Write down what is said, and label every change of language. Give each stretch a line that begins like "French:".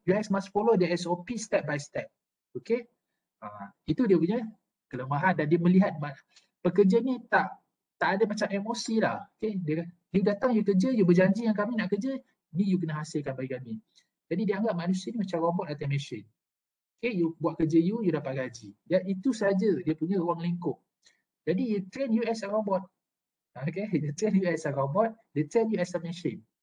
English: You guys must follow the SOP step by step. Okay.
Malay: Itu dia punya kelemahan dan dia melihat pekerja ni tak ada macam emosi lah. Okay. You datang, you kerja, you berjanji yang kami nak kerja, ni you kena hasilkan bagi kami. Jadi dia anggap manusia ni macam robot atau machine. Okay, you buat kerja you dapat gaji. Dan itu saja dia punya ruang lingkup.
English: Jadi you train you as a robot. Okay, you train you as a robot, they train you as a machine.